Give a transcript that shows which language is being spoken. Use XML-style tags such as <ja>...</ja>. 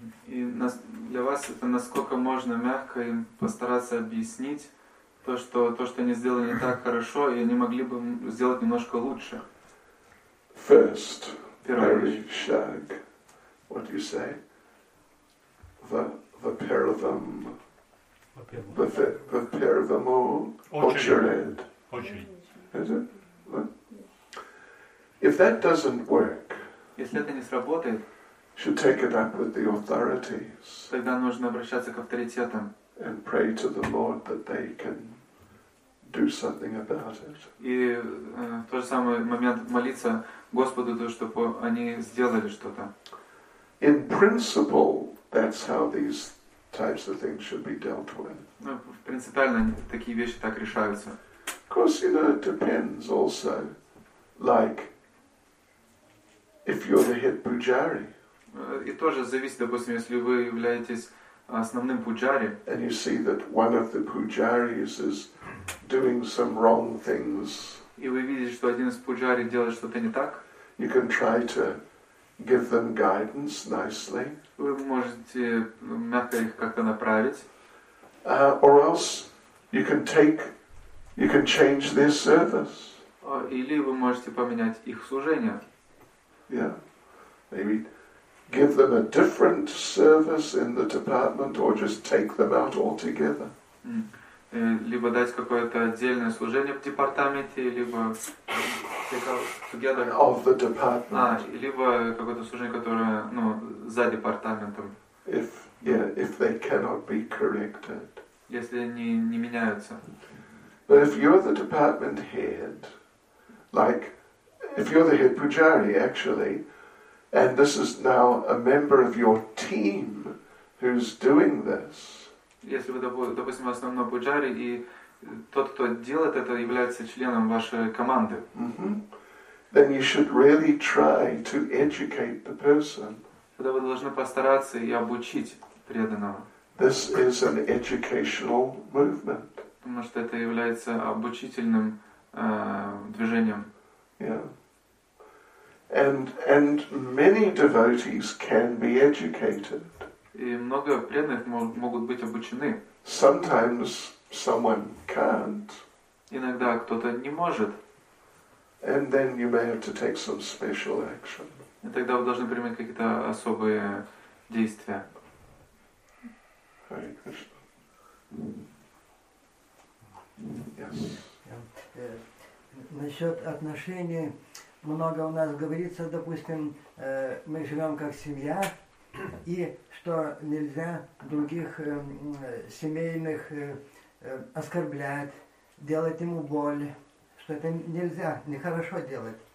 <ru>И для вас это насколько можно мягко им постараться объяснить. То, что они сделали не так хорошо, и они могли бы сделать немножко лучше.</ru> <en>First, Parishag. What do you say? The Paravam. The Paravam Orchard. Is it? If that doesn't work,</en> <ru>если это не сработает,</ru> <en>should take it up with the authorities.</en> <ru>Тогда нужно обращаться к авторитетам.</ru> <en>And pray to the Lord that they can do something about it.</en> <ru>И то же самое момент молиться Господу, то чтобы они сделали что-то.</ru> <en>In principle, that's how these types of things should be dealt with.</en> <ru>Ну, принципиально такие вещи так решаются.</ru> <en>Of course, you know, it depends also, like if you're the head pujari.</en> <ru>И тоже зависит, допустим, если вы являетесь основным пуджари.</ru> <en>And you see that one of the pujaris is doing some wrong things.</en> <ru>И вы видите, что один из пуджари делает что-то не так.</ru> <en>You can try to give them guidance nicely.</en> <ru>Вы можете мягко их как-то направить.</ru> <en>Or else you can change their service.</en> <ru>Или вы можете поменять их служение.</ru> <en>Yeah, maybe give them a different service in the department, or just take them out altogether.</en> <ru>Либо дать какое-то отдельное служение в департаменте, либо</ru> <en>of the department.</en> <ru>Либо какое-то служение, которое, ну, за департаментом.</ru> <en>If they cannot be corrected.</en> <ru>Если они не меняются.</ru> <en>But if you're the department head, like, if you're the head pujari, actually, and this is now a member of your team who's doing this.</en> <ru>Если вы, допустим, основной пуджари, и тот, кто делает это, является членом вашей команды.</ru> <en>Then you should really try to educate the person.</en> <ru>Тогда вы должны постараться и обучить преданного.</ru> <en>This is an educational movement.</en> <ru>Потому что это является обучительным движением.</ru> <en>Yeah. And many devotees can be educated.</en> <ru>И много преданных могут быть обучены.</ru> <en>Sometimes someone can't.</en> <ru>Иногда кто-то не может.</ru> <en>And then you may have to take some special action.</en> <ru>И тогда вы должны принимать какие-то особые действия.</ru> <en>Hare Krishna. Yes.</en> <ru>Насчет отношений. Много у нас говорится, допустим, мы живем как семья, и что нельзя других семейных оскорблять, делать ему боль, что это нельзя, нехорошо делать.</ru>